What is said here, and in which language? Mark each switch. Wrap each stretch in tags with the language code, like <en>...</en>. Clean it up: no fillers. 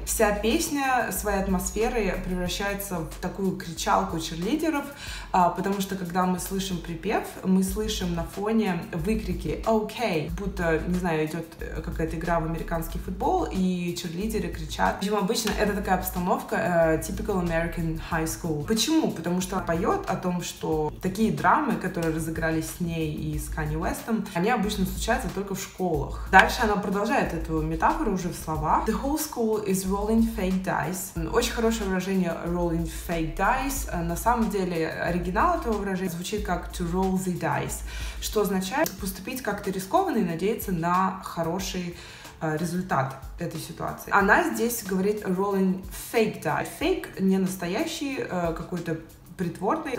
<ru>Вся песня своей атмосферой превращается в такую кричалку чирлидеров, потому что когда мы слышим припев, мы слышим на фоне выкрики «Окей!», будто, не знаю, идет какая-то игра в американский футбол, и чирлидеры кричат. Причем обычно это такая обстановка</ru> <en>typical American high school.</en> <ru>Почему? Потому что она поет о том, что такие драмы, которые разыгрались с ней и с Kanye Westом, они обычно случаются только в школах. Дальше она продолжает эту метафору уже в словах.</ru> <en>The whole school is rolling fake dice.</en> <ru>Очень хорошее выражение</ru> <en>rolling fake dice.</en> <ru>На самом деле оригинал этого выражения звучит как</ru> <en>to roll the dice,</en> <ru>что означает поступить как-то рискованно и надеяться на хороший результат этой ситуации. Она здесь говорит</ru> <en>rolling fake dice.</en> <ru>Fake — не настоящий какой-то притворный.</ru>